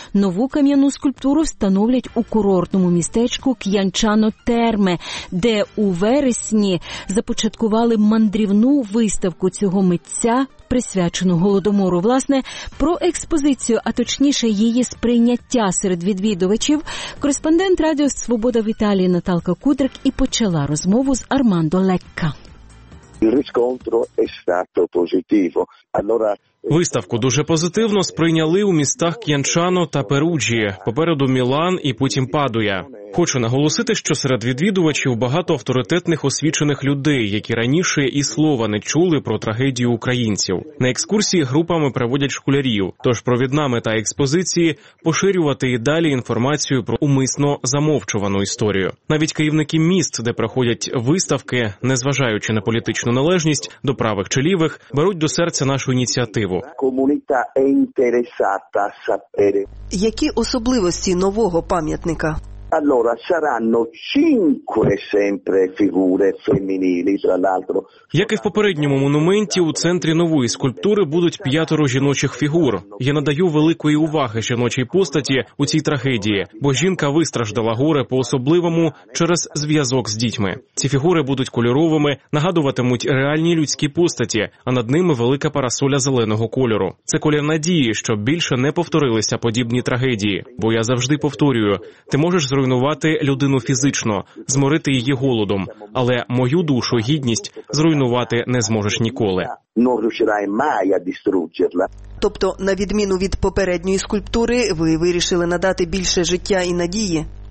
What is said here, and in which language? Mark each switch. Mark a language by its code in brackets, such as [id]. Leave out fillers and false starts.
[uk] Нову кам'яну скульптуру встановлять у курортному містечку К'янчано-Терме, де у вересні започаткували мандрівну виставку цього митця, присвячену Голодомору. Власне, про експозицію, а точніше її сприйняття серед відвідувачів, кореспондент Радіо Свобода в Італії Наталка Кудрик і почала розмову з Армандо Лекка. [it] Il riscontro è stato positivo. Allora [uk] Виставку дуже позитивно сприйняли у містах К'янчано та Перуджі, попереду Мілан і потім Падуя. Хочу наголосити, що серед відвідувачів багато авторитетних освічених людей, які раніше і слова не чули про трагедію українців. На екскурсії групами проводять школярів, тож провідна мета експозиції – поширювати і далі інформацію про умисно замовчувану історію. Навіть керівники міст, де проходять виставки, незважаючи на політичну належність, до правих чи лівих, беруть до серця нашу ініціативу. [it] Комуніта е інтересата сапере. [uk] Які особливості нового пам'ятника? [it] Allora saranno cinque sempre figure femminili, tra l'altro. [uk] Як і в попередньому монументі, у центрі нової скульптури будуть п'ятеро жіночих фігур. Я надаю великої уваги жіночій постаті у цій трагедії, бо жінка вистраждала горе по-особливому через зв'язок з дітьми. Ці фігури будуть кольоровими, нагадуватимуть реальні людські постаті, а над ними велика парасоля зеленого кольору. Це колір надії, щоб більше не повторилися подібні трагедії. Бо я завжди повторюю, ти можеш зруйнувати людину фізично, зморити її голодом, але мою душу, гідність зруйнувати не зможеш ніколи. [it] Non riuscirai mai a distruggerla. [uk] Тобто, на відміну від попередньої скульптури, ви вирішили надати більше життя і надії?